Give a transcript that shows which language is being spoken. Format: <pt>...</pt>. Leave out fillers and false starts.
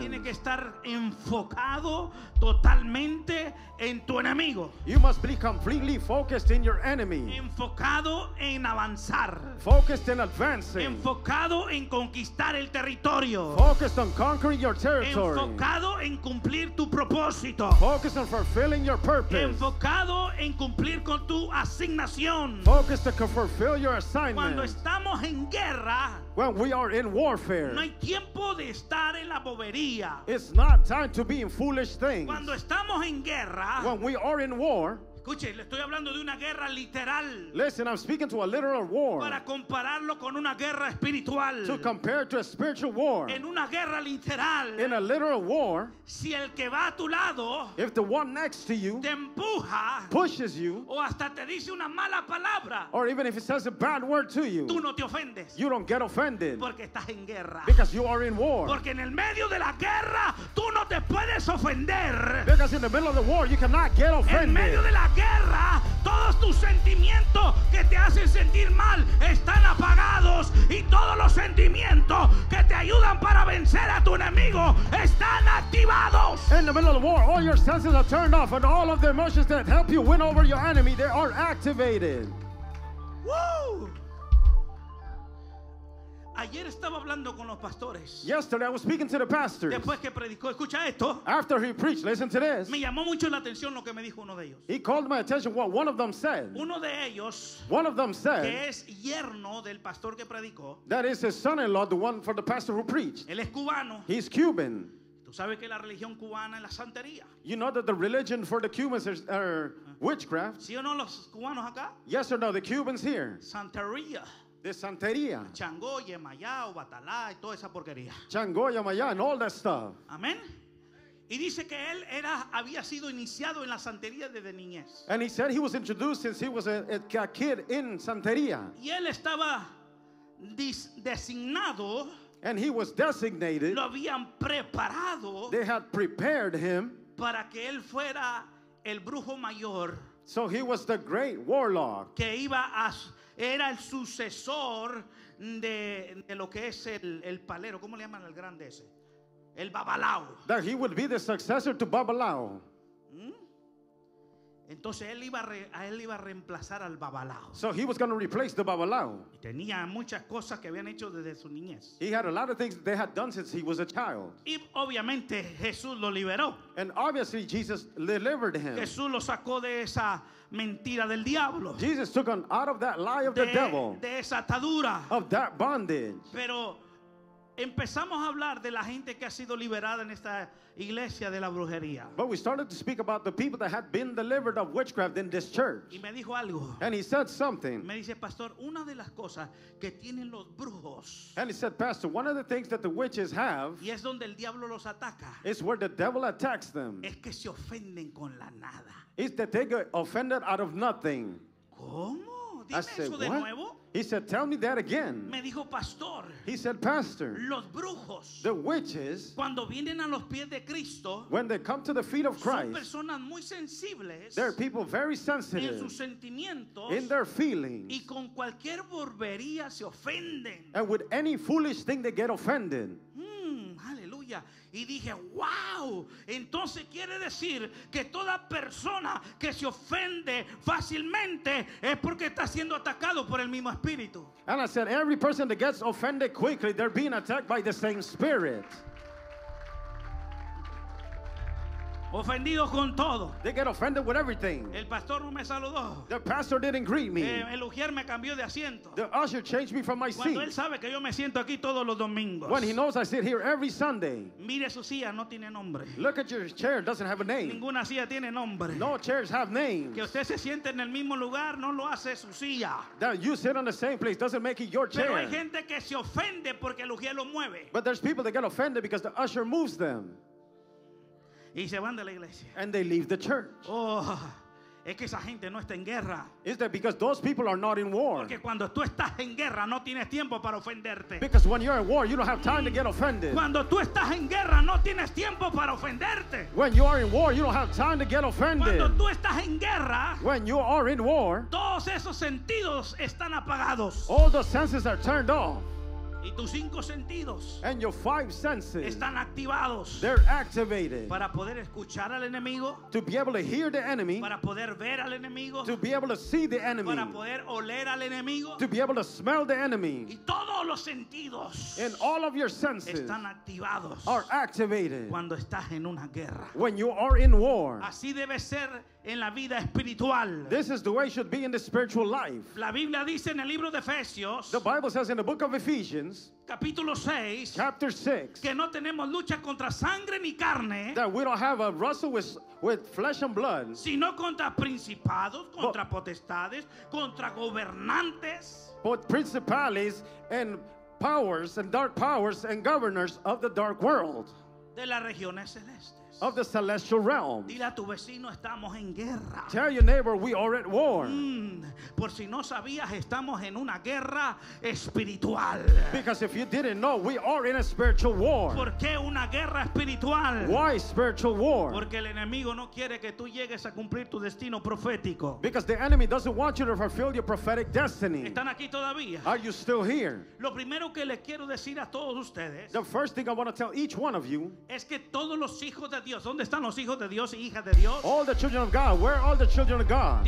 <es>Tiene que estar enfocado totalmente en tu enemigo.</es> <en>You must be completely focused in your enemy.</en> <es>Enfocado en avanzar.</es> <en>Focused in advancing.</en> <es>Enfocado en conquistar el territorio.</es> <en>Focused on conquering your territory.</en> <es>Enfocado en cumplir tu propósito.</es> <en>Focused on fulfilling your purpose.</en> <es>Enfocado en cumplir con tu asignación.</es> <en>Focused to fulfill your assignment.</en> <es>Cuando estamos en guerra,</es> <en>when we are in warfare,</en> <es>no hay tiempo de estar en la bobería.</es> <en>It's not time to be in foolish things.</en> <es>Cuando estamos en guerra,</es> <en>when we are in war,</en> <es>escuche, le estoy hablando de una guerra literal.</es> <en>Listen, I'm speaking to a literal war.</en> <es>Para compararlo con una guerra espiritual.</es> <en>To compare to a spiritual war.</en> <es>En una guerra literal.</es> <en>In a literal war.</en> <es>Si el que va a tu lado,</es> <en>if the one next to you,</en> <es>te empuja,</es> <en>pushes you,</en> <es>o hasta te dice una mala palabra,</es> <en>or even if it says a bad word to you,</en> <es>tú no te ofendes.</es> <en>You don't get offended.</en> <es>Porque estás en guerra.</es> <en>Because you are in war.</en> <es>Porque en el medio de la guerra, tú no te puedes ofender.</es> <en>Because in the middle of the war, you cannot get offended.</en> <es>En medio de la guerra, todos tus sentimientos que te hacen sentir mal están apagados, y todos los sentimientos que te ayudan para vencer a tu enemigo están activados.</es> <en>In the middle of the war, all your senses are turned off, and all of the emotions that help you win over your enemy, they are activated. Woo!</en> <es>Ayer estaba hablando con los pastores.</es> <en>Yesterday I was speaking to the pastors.</en> <es>Después que predicó, escucha esto.</es> <en>After he preached, listen to this.</en> <es>Me llamó mucho la atención lo que me dijo uno de ellos.</es> <en>He called my attention what one of them said.</en> <es>Uno de ellos,</es> <en>one of them said,</en> <es>que es yerno del pastor que predicó.</es> <en>That is his son-in-law, the one for the pastor who preached.</en> <es>Él es cubano.</es> <en>He's Cuban.</en> <es>Tú sabes que la religión cubana es la santería.</es> <en>You know that the religion for the Cubans is witchcraft.</en> <es>¿Sí o no los cubanos acá?</es> <en>Yes or no, the Cubans here.</en> <es>Santería. De santería. Changoya, Maya, Batalá y toda esa porquería.</es> <en>Changoya, Maya, and all that stuff.</en> <es>Amén. Y dice que él era, había sido iniciado en la santería desde niñez.</es> <en>And he said he was introduced since he was a kid in santería.</en> <es>Y él estaba designado.</es> <en>And he was designated.</en> <es>Lo habían preparado.</es> <en>They had prepared him.</en> <es>Para que él fuera el brujo mayor.</es> <en>So he was the great warlock.</en> <es>Que iba a... era el sucesor de lo que es el palero. ¿Cómo le llaman al grande ese? El Babalao.</es> <en>That he would be the successor to Babalao.</en> <es>Entonces él iba a él iba a reemplazar al Babalao.</es> <en>So he was going to replace the Babalao.</en> <es>Tenía muchas cosas que habían hecho desde su niñez.</es> <en>He had a lot of things they had done since he was a child.</en> <es>Y obviamente Jesús lo liberó.</es> <en>And obviously Jesus delivered him.</en> <es>Jesús lo sacó de esa mentira del diablo.</es> <en>Jesus took him out of that lie of the devil.</en> <es>De esa atadura.</es> <en>Of that bondage.</en> <es>Pero empezamos a hablar de la gente que ha sido liberada en esta iglesia de la brujería.</es> <en>But we started to speak about the people that had been delivered of witchcraft in this church.</en> <es>Y me dijo algo.</es> <en>And he said something.</en> <es>Me dice, pastor, una de las cosas que tienen los brujos.</es> <en>And he said, pastor, one of the things that the witches have.</en> <es>Y es donde el diablo los ataca.</es> <en>Is where the devil attacks them.</en> <es>Es que se ofenden con la nada.</es> <en>Is that they get offended out of nothing.</en> <es>¿Cómo?</es> <en>I said, what? He said, tell me that again.</en> <es>Me dijo, pastor,</es> <en>he said, pastor,</en> <es>los brujos,</es> <en>the witches,</en> <es>cuando vienen a los pies de Cristo,</es> <en>when they come to the feet of Christ,</en> <es>son personas muy sensibles,</es> <en>they're people very sensitive</en> <es>en sus sentimientos,</es> <en>in their feelings,</en> <es>y con cualquier borbería se ofenden,</es> <en>and with any foolish thing they get offended.</en> <es>Aleluya. Y dije, wow, entonces quiere decir que toda persona que se ofende fácilmente es porque está siendo atacado por el mismo espíritu.</es> <en>And I said, every person that gets offended quickly, they're being attacked by the same spirit.</en> <es>Ofendidos con todo.</es> <en>They get offended with everything.</en> <es>El pastor no me saludó.</es> <en>The pastor didn't greet me.</en> <es>El ujier me cambió de asiento.</es> <en>The usher changed me from my</en> <es>cuando</es> <en>seat.</en> <es>Cuando él sabe que yo me siento aquí todos los domingos.</es> <en>When he knows I sit here every Sunday.</en> <es>Mire su silla, no tiene nombre.</es> <en>Look at your chair, it doesn't have a name.</en> <es>Ninguna silla tiene nombre.</es> <en>No chairs have names.</en> <es>Que usted se siente en el mismo lugar no lo hace su silla.</es> <en>That you sit on the same place doesn't make it your chair.</en> <es>Pero hay gente que se ofende porque el ujier lo mueve.</es> <en>But there's people that get offended because the usher moves them.</en> <es>Y se van de la iglesia.</es> <en>And they leave the church.</en> <es>Oh, es que esa gente no está en guerra.</es> <en>Is that because those people are not in war?</en> <es>Porque cuando tú estás en guerra no tienes tiempo para ofenderte.</es> <en>Because when you're at war you don't have time to get offended.</en> <es>Cuando tú estás en guerra no tienes tiempo para ofenderte.</es> <en>When you are in war you don't have time to get offended.</en> <es>Cuando tú estás en guerra,</es> <en>when you are in war,</en> <es>todos esos sentidos están apagados.</es> <en>All the senses are turned off.</en> <es>Y tus cinco sentidos,</es> <en>and your five senses,</en> <es>están activados,</es> <en>they're activated,</en> <es>para poder escuchar al enemigo,</es> <en>to be able to hear the enemy,</en> <es>para poder ver al enemigo,</es> <en>to be able to see the enemy,</en> <es>para poder oler al enemigo,</es> <en>to be able to smell the enemy,</en> <es>y todos los sentidos,</es> <en>and all of your senses,</en> <es>están activados,</es> <en>are activated,</en> <es>cuando estás en una guerra,</es> <en>when you are in war,</en> <es>así debe ser en la vida espiritual.</es> <en>This is the way it should be in the spiritual life.</en> <es>La Biblia dice en el libro de Efesios,</es> <en>the Bible says in the book of Ephesians,</en> <es>capítulo 6,</es> <en>chapter 6,</en> <es>que no tenemos lucha contra sangre ni carne,</es> <en>that we don't have a wrestle with flesh and blood,</en> <es>sino contra principados, contra potestades, contra gobernantes,</es> <en>but principalities and powers and dark powers and governors of the dark world,</en> <es>de las regiones celestes,</es> <en>of the celestial realm.</en> <es>Dile a tu vecino, estamos en guerra.</es> <en>Tell your neighbor, we are at war.</en> <es>Por si no sabías, estamos en una guerra espiritual.</es> <en>Because if you didn't know, we are in a spiritual war.</en> <es>¿Por qué una guerra espiritual?</es> <en>Why spiritual war?</en> <es>Porque el enemigo no quiere que tú llegues a cumplir tu destino profético.</es> <en>Because the enemy doesn't want you to fulfill your prophetic destiny.</en> <es>¿Están aquí todavía?</es> <en>Are you still here?</en> <es>Lo primero que les quiero decir a todos ustedes,</es> <en>the first thing I want to tell each one of you,</en> <es>es que todos los hijos de Dios, ¿dónde están los hijos de Dios y hijas de Dios?</es> <en>All the children of God, where are all the children of God?</en>